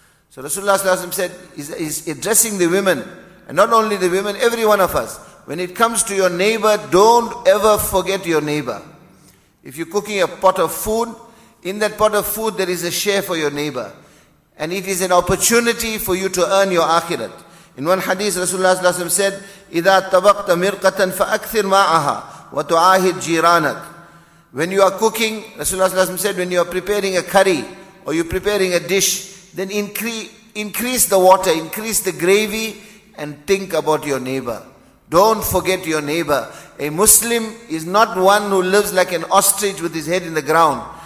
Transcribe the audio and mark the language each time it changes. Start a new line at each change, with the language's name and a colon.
English: So Rasulullah ﷺ said, is addressing the women, and not only the women, every one of us. When it comes to your neighbor, don't ever forget your neighbor. If you're cooking a pot of food, in that pot of food there is a share for your neighbor. And it is an opportunity for you to earn your akhirat. In one hadith, Rasulullah ﷺ said,
Arabic: إِذَا طَبَقْتَ مِرْقَةً فَأَكْثِرْ مَعَهَا وَتُعَاهِدْ جِيرَانَكَ.
English: When you are cooking, Rasulullah ﷺ said, when you are preparing a curry, or you're preparing a dish, then increase the water, increase the gravy, and think about your neighbor. Don't forget your neighbor. A Muslim is not one who lives like an ostrich with his head in the ground.